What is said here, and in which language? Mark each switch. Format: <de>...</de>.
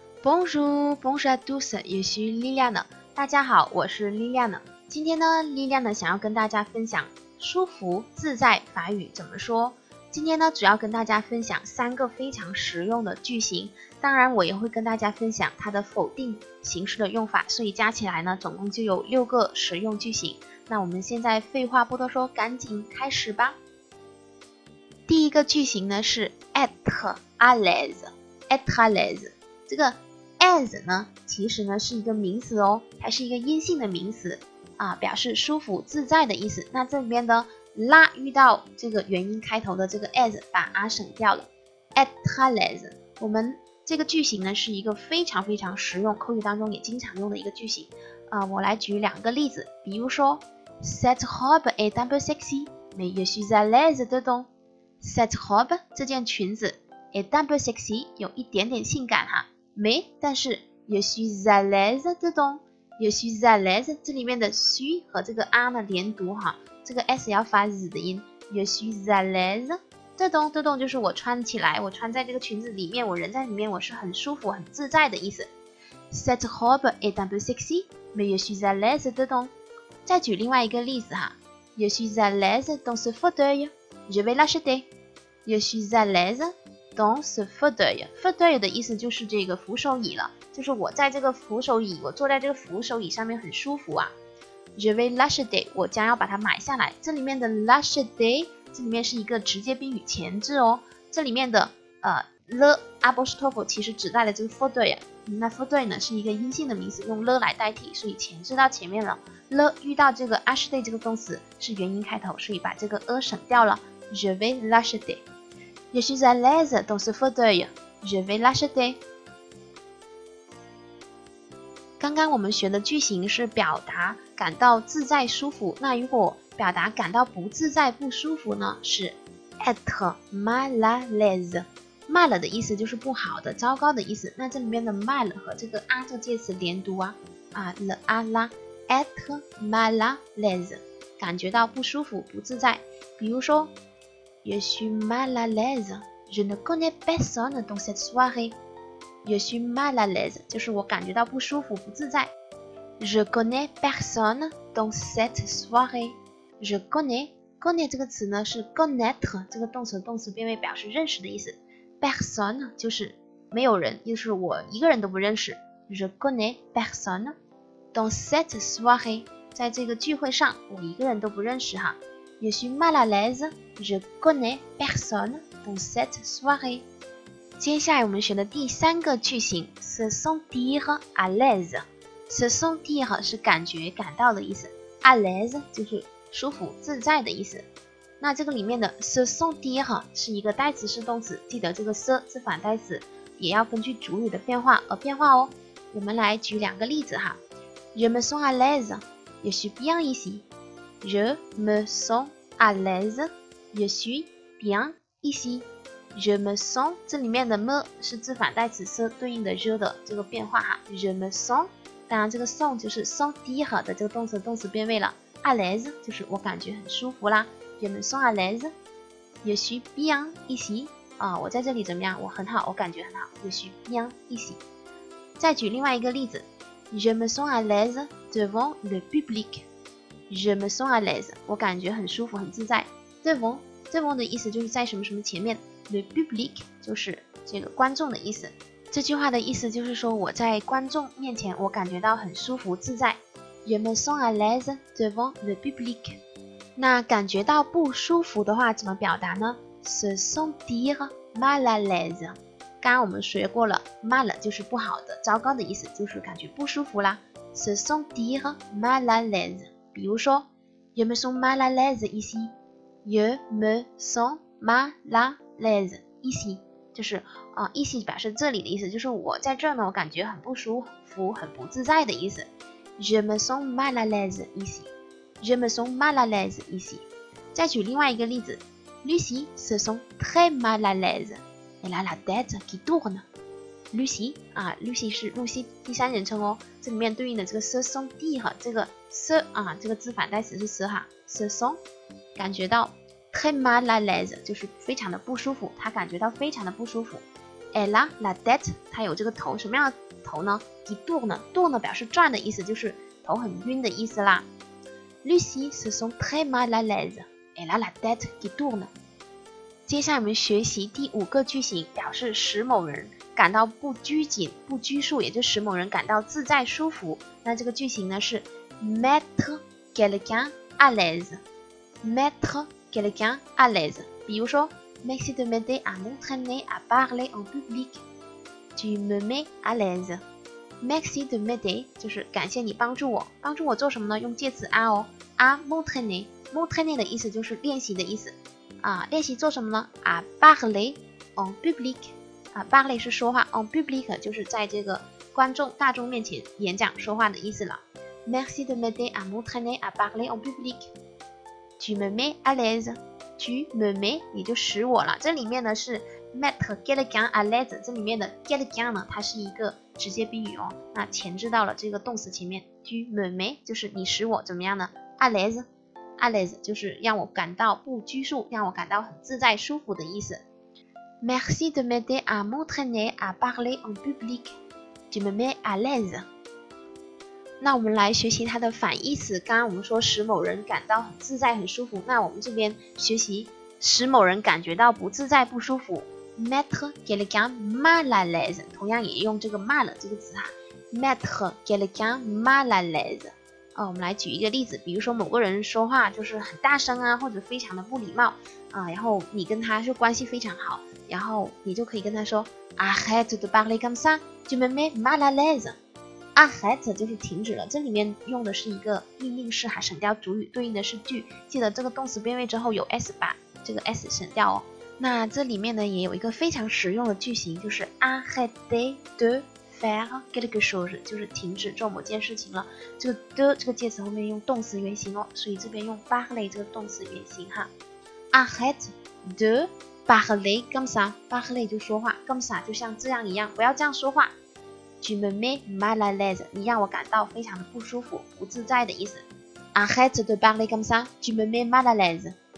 <fr>Bonjour à tous, je suis Liliane.</fr> <zh>大家好，我是 Liliane。今天呢 ,Liliane 想要跟大家分享舒服自在法语怎么说。今天呢主要跟大家分享三个非常实用的句型，当然我也会跟大家分享它的否定形式的用法，所以加起来呢总共就有六个实用句型。那我们现在废话不多说，赶紧开始吧。第一个句型呢是</zh> <fr>être à l'aise, être à l'aise。</fr> <zh>这个 as 呢其实呢是一个名词哦，还是一个阴性的名词啊，表示舒服自在的意思。那这边的 la 遇到这个元音开头的这个 as 把 a 省掉了， at a l e s。我们这个句型呢是一个非常非常实用，口语当中也经常用的一个句型啊。我来举两个例子，比如说</zh> <fr>cette robe est double sexy mais je suis à l'aise dedans。</fr> <zh>cette robe 这件裙子et double sexy 有一点点性感哈，没，但是</zh> <fr>je suis à l'aise dedans,</fr> <zh>je suis à l'aise, 这里面的 suis 和这个 a 呢连读哈，这个 s 要发 z 的音， je suis à l'aise dedans, dedans 就是我穿起来，我穿在这个裙子里面，我人在里面，我是很舒服很自在的意思。</zh> <fr>cette robe est double sexy mais je suis à l'aise dedans。</fr> <zh>再举另外一个例子哈，</zh> <fr>je suis à l'aise dans ce fauteuil,</fr> <zh>je vais l'acheter, je suis à l'aiseDans ce fauteuil, fauteuil 的意思就是这个扶手椅了，就是我在这个扶手椅，我坐在这个扶手椅上面很舒服啊。</zh> <fr>Je vais l'acheter,</fr> <zh>我将要把它买下来。这里面的 l'acheter, 这里面是一个直接宾语前置哦。这里面的apostrophe 其实指代了这个 fauteuil。那 fauteuil 呢是一个阴性的名词，用 了 来代替，所以前置到前面了。了遇到这个 acheter 这个动词是元音开头，所以把这个省掉了。</zh> <fr>Je vais l'acheter. Je suis à l'aise dans ce fauteuil. Je vais l'acheter.</fr> <zh>刚刚我们学的句型是表达感到自在舒服，那如果表达感到不自在不舒服呢，是</zh> <fr>être mal à l'aise.</fr> <zh>Mal 的意思就是不好的糟糕的意思，那这里面的 mal 和这个 a 这介词连读啊，啊 le à la,</zh> <fr>être mal à l'aise,</fr> <zh>感觉到不舒服不自在。比如说</zh> <fr>Je suis mal à l'aise. Je ne connais personne dans cette soirée. Je suis mal à l'aise.</fr> <zh>就是我感觉到不舒服不自在。</zh> <fr>Je connais personne dans cette soirée.</fr> <zh>Je connais 这个词呢是 connaître 这个动词，动词变位表示认识的意思。 Personne 就是没有人，就是我一个人都不认识。</zh> <fr>Je connais personne dans cette soirée.</fr> <zh>在这个聚会上我一个人都不认识哈。</zh> <fr>Je suis mal à l'aise, je connais personne dans cette soirée.</fr> <zh>接下来我们学的第三个句型</zh> <fr>se sentir à l'aise.</fr> <zh>Se sentir 是感觉感到的意思， à l'aise 就是舒服自在的意思。那这个里面的 se sentir 是一个代词式动词，记得这个 se 是反代词，也要根据主语的变化而变化哦。我们来举两个例子哈，</zh> <fr>Je me sens à l'aise, je suis bien ici. Je me sens à l'aise, je suis bien ici.</fr> <zh>Je me sens, 这里面的 me 是自反代词 se 对应的 je 的这个变化哈。 Je me sens, 当然这个 sens 就是 sentir 的这个动词动词变位了。 À l'aise, 就是我感觉很舒服啦。</zh> <fr>Je me sens à l'aise, je suis bien ici.</fr> <zh>啊，我在这里怎么样？我很好，我感觉很好。 Je suis bien ici. 再举另外一个例子。</zh> <fr>Je me sens à l'aise devant le public. Je me sens à l'aise,</fr> <zh>我感觉很舒服很自在。 devant 的意思就是在什么什么前面， le public 就是这个观众的意思。这句话的意思就是说我在观众面前我感觉到很舒服自在。</zh> <fr>Je me sens à l'aise devant le public.</fr> <zh>那感觉到不舒服的话怎么表达呢？</zh> <fr>se sentir mal à l'aise,</fr> <zh>刚刚我们学过了， mal 就是不好的糟糕的意思，就是感觉不舒服啦。</zh> <fr>se sentir mal à l'aise,</fr> <zh>比如说</zh> <fr>Je me sens mal à l'aise ici. Je me sens mal à l'aise ici.</fr> <zh>就是ici 表示这里的意思，就是我在这儿呢我感觉很不舒服很不自在的意思。</zh> <fr>Je me sens mal à l'aise ici. Je me sens mal à l'aise ici.</fr> <zh>再举另外一个例子，</zh> <fr>Lucie se sent très mal à l'aise. Elle a la tête qui tourne.</fr> <zh>Lucie, Lucie 是露西第三人称哦，这里面对应的这个 se sentir 这个se 啊，这个字反代词是 se 哈， se sent 感觉到</zh> <fr>très mal à l'aise</fr> <zh>就是非常的不舒服，他感觉到非常的不舒服。</zh> <fr>elle a la tête，</fr> <zh>她有这个头，什么样的头呢？一度呢，度呢表示转的意思，就是头很晕的意思啦。</zh> <fr>Lucie se sent très mal à l'aise. Elle a la tête qui tourne.</fr> <zh>接下来我们学习第五个句型，表示使某人感到不拘谨、不拘束，也就使某人感到自在舒服。那这个句型呢是</zh> <fr>mettre quelqu'un à l'aise. Mettre quelqu'un à l'aise.</fr> <zh>比如说</zh> <fr>，Merci de m'aider à m'entraîner à parler en public. Tu me mets à l'aise. Merci de m'aider，</fr> <zh>就是感谢你帮助我。帮助我做什么呢？用介词 à 哦， à m'entraîner， m'entraîner 的意思就是练习的意思。啊，练习做什么呢？</zh> <fr>à parler en public，</fr> <zh>啊， parler 是说话， en public 就是在这个观众大众面前演讲说话的意思了。</zh> <fr>Merci de m'aider à m'entraîner à parler en public. Tu me mets à l'aise. Tu me mets，</fr> <zh>你就使我了。这里面呢是</zh> <fr>mettre quelqu'un à l'aise，</fr> <zh>这里面的 quelqu'un 呢，它是一个直接宾语哦，那前置到了这个动词前面 tu me mets 就是你使我怎么样呢？ à l'aise， à l'aise 就是让我感到不拘束，让我感到很自在舒服的意思。</zh> <fr>Merci de m'aider à m'entraîner à parler en public. Tu me mets à l'aise.</fr> <zh>那我们来学习它的反义词。刚刚我们说使某人感到很自在很舒服，那我们这边学习使某人感觉到不自在不舒服，</zh> <fr>mettre quelqu'un mal à l'aise，</fr> <zh>同样也用这个 mal 这个词哈， mettre quelqu'un mal à l'aise。哦，我们来举一个例子，比如说某个人说话就是很大声啊，或者非常的不礼貌啊，然后你跟他是关系非常好，然后你就可以跟他说</zh> <fr>arrête de parler comme ça， tu me mets mal à l'aise。</fr> <zh>arrête 就是停止了，这里面用的是一个命令式哈，省掉主语，对应的是句，记得这个动词变位之后有 s， 把这个 s 省掉哦。那这里面呢也有一个非常实用的句型，就是</zh> <fr>arrête de faire quelque chose，</fr> <zh>就是停止做某件事情了。这个 de 这个介词后面用动词原形哦，所以这边用 parler 这个动词原形哈。</zh> <fr>arrête de parler comme ça，</fr> <zh>parler 就说话， comme ça 就像这样一样，不要这样说话。</zh> <fr>Tu me mets mal à l'aise，</fr> <zh>你让我感到非常的不舒服、不自在的意思。</zh> <fr>arrête de parler comme ça， tu me mets mal à l'aise。</fr>